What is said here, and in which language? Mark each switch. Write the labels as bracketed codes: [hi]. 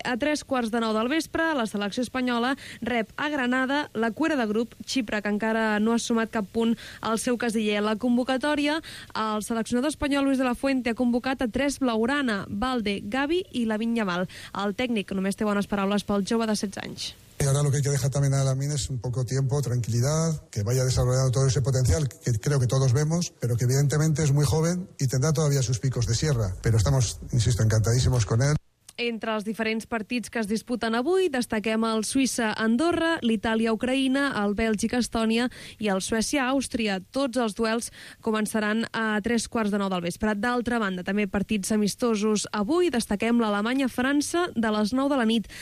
[ca] A 3:15 del vespre, la selecció espanyola rep a Granada la cuera de grup, Xipre, que encara no ha sumat cap punt al seu casiller. La convocatòria, el seleccionador espanyol Luis de la Fuente ha convocat a 3 blaugrana, Valde, Gavi i Lamine Yamal. El tècnic només té bones paraules pel jove de 16 anys. [es] Ahora lo que hay que dejar también a Lamine es un poco tiempo, tranquilidad, que vaya desarrollando todo ese potencial que creo que todos vemos, pero que evidentemente es muy joven y tendrá todavía sus picos de sierra. Pero estamos, insisto, encantadísimos con él. [ca] Entre els diferents partits que es disputen avui, destaquem el Suïssa-Andorra, l'Itàlia-Ucraïna, el Bèlgica-Estònia i el Suècia-Àustria. Tots els duels començaran a 9:15 del vespre. D'altra banda, també partits amistosos avui, destaquem l'Alemanya-França de les 9 de la nit.